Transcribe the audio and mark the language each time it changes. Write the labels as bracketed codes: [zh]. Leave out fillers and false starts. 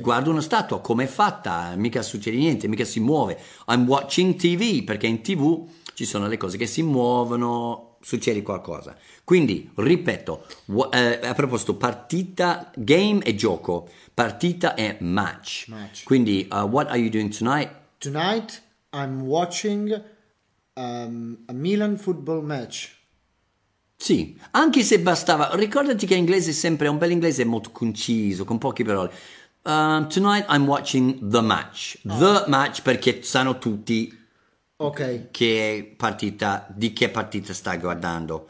[it] Guardo una statua, come è fatta, mica succede niente, mica si muove. [en] I'm watching TV, [it] perché in TV ci sono le cose che si muovono, succede qualcosa. Quindi, ripeto, a proposito, partita, game è gioco, partita è match. [en] Quindi, what are you doing tonight? Tonight I'm watching a Milan football match. [it] Sì, anche se bastava, ricordati che l'inglese è sempre, un bel inglese è molto conciso, con poche parole. [en] Tonight I'm watching the match. The match, [it] perché sanno tutti, okay, che partita sta guardando.